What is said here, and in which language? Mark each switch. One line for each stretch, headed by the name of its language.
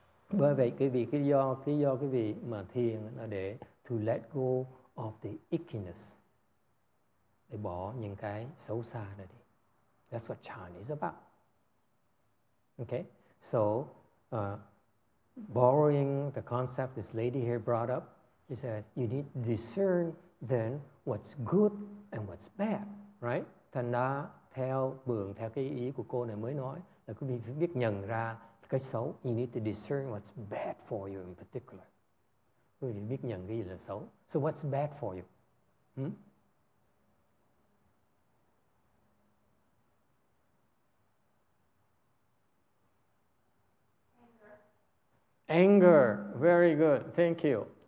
Vietnamese: Bởi vậy quý vị, cái do quý vị mà thiền là để
English: to let go of the ickiness,
Vietnamese: để bỏ những cái xấu xa ra đi.
English: That's what Chan is about. Okay, so borrowing the concept this lady here brought up, she says you need to discern then what's good and what's bad, right?
Vietnamese: Thành ra theo mượn theo cái ý của cô này mới nói là quý vị phải biết nhận ra cái xấu.
English: You need to discern what's bad for you in particular.
Vietnamese: Quý vị biết nhận cái gì là xấu.
English: So what's bad for you? Anger, very good, thank you.